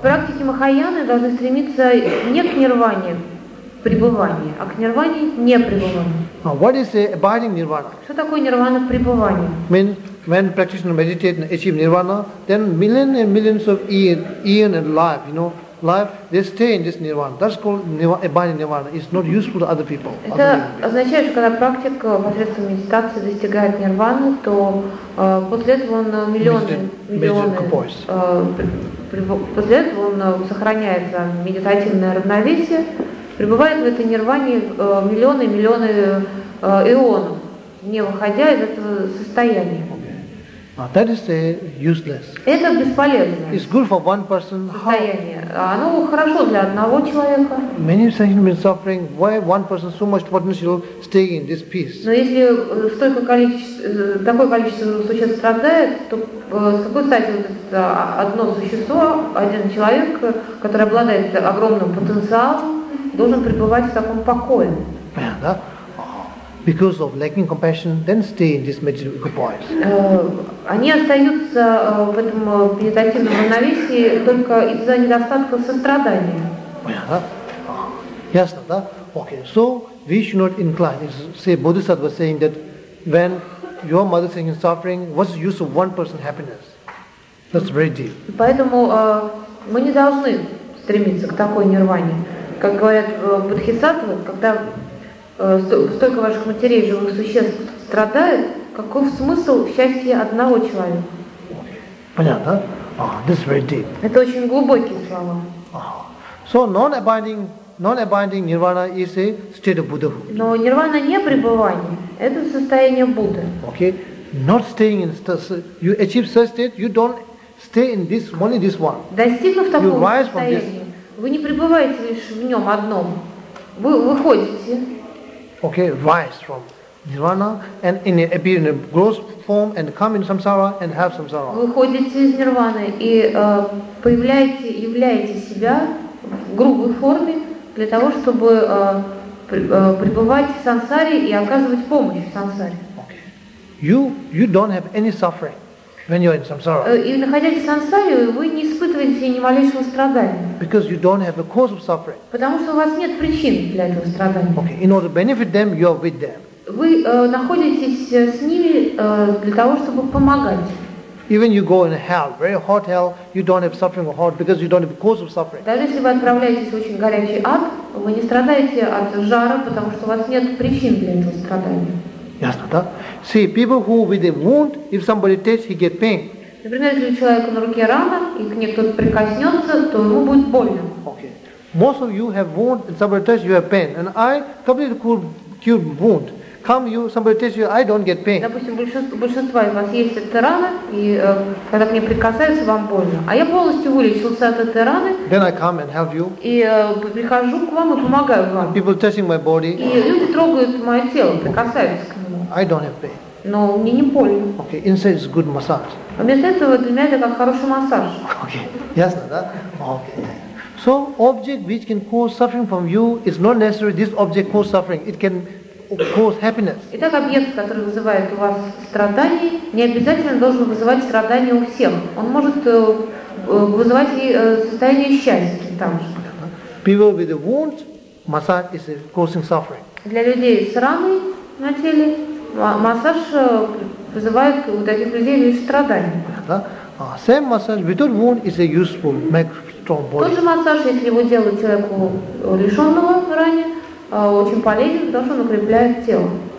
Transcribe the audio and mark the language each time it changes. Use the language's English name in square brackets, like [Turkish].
[Russian] Практики Махаяны должны стремиться не к нирване пребывания, а к нирване непребывания. [English] What is abiding nirvana? [Russian] Что такое нирвана пребывания? [English] Means when practitioner meditate and achieve nirvana, then millions and millions of eons and life, you know. Life, they stay in this nirvana. That's called abiding nirvana. It's not useful to other people. [Russian] Это означает, что когда практик посредством медитации достигает нирваны, то после этого он сохраняет медитативное равновесие, пребывает в этой нирване миллионы и миллионы ионов, не выходя из этого состояния. [English] That is useless. [Russian] Это бесполезно. [English] It's good for one person. [Russian] Состояние. Оно хорошо для одного человека. [English] Many sentient beings suffering. Why one person so much potential staying in this peace? [Russian] Но если такое количество существ страдает, то с какой стати одно существо, один человек, который обладает огромным потенциалом, должен пребывать в таком покое? [English] Да. Because of lacking compassion, then stay in this meditative equipoise. [Russian] Они остаются в этом медитативном равновесии только из-за недостатка сострадания. Понятно? Ясно, да? [English] Okay. So we should not incline. Say Bodhisattva was saying that when your mother is suffering, what's the use of one person's happiness? That's very deep. [Russian] Поэтому мы не должны стремиться к такой нирване. Как говорят Бодхисаттвы, когда столько ваших матерей, живых существ страдает, каков смысл счастья одного человека? Понятно? [English] This is very deep. [Russian] Это очень глубокие слова. [English] So non-abiding nirvana is a state of Buddhahood. [Russian] Но нирвана не пребывание, это состояние Будды. [English] Okay. Not staying in this, you achieve such state, you don't stay in this, only this one. [Russian] Достигнув такого состояния, вы не пребываете лишь в нем одном. Вы выходите. [English] Okay, rise from nirvana and appear in a gross form and come in samsara and have samsara. [Russian] Выходите из нирваны и являете себя в грубой форме для того, чтобы пребывать в сансаре и оказывать помощь в сансаре. [English] Okay. You don't have any suffering when you're in samsara. [Russian] И находясь в сансаре, вы не испытываете ни малейшего страдания. [English] Because you don't have a cause of suffering. [Russian] Потому что у вас нет причин для этого страдания. [English] Okay. In order to benefit them, you are with them. [Russian] Вы находитесь с ними для того, чтобы помогать. [English] Even you go in hell, very hot hell, you don't have suffering of hot because you don't have a cause of suffering. [Russian] Даже если вы отправляетесь в очень горячий ад, вы не страдаете от жара, потому что у вас нет причин для этого страдания. Ясно, да? [English] See, people who with a wound, if somebody touches, he get pain. [Russian] Например, если у человека на руке рана, и к ней кто-то прикоснется, то ему будет больно. [English] Okay. Most of you have wound, and somebody tells you have pain. And I completely cured wound. Come, you, somebody tells you, I don't get pain. [Russian] Допустим, большинство из вас есть эта рана, и когда к ней прикасаются, вам больно. А я полностью вылечился от этой раны. [English] Then I come and help you. [Russian] И прихожу к вам и помогаю вам. [English] And people touching my body. [Russian] И люди трогают мое тело, прикасаются к нему. [English] I don't have pain. [Russian] Но мне не больно. [English] Okay, inside is good massage. [Russian] А вместо этого для меня это как хороший массаж. Okay, ясно, да? Okay. [English] So object which can cause suffering from you is not necessary. This object cause suffering. It can cause happiness. [Russian] Итак, объект, который вызывает у вас страдание, не обязательно должен вызывать страдание у всех. Он может вызывать и состояние счастья там же. [English] People with a wound, massage is causing suffering. [Russian] Для людей с раной на теле массаж вызывает у таких людей лишь страдание. [English] Да. Same massage without wound is a useful, make strong body. [Russian] Тот же массаж, если его делают человеку лишенного ранее, очень полезен, потому что он укрепляет тело.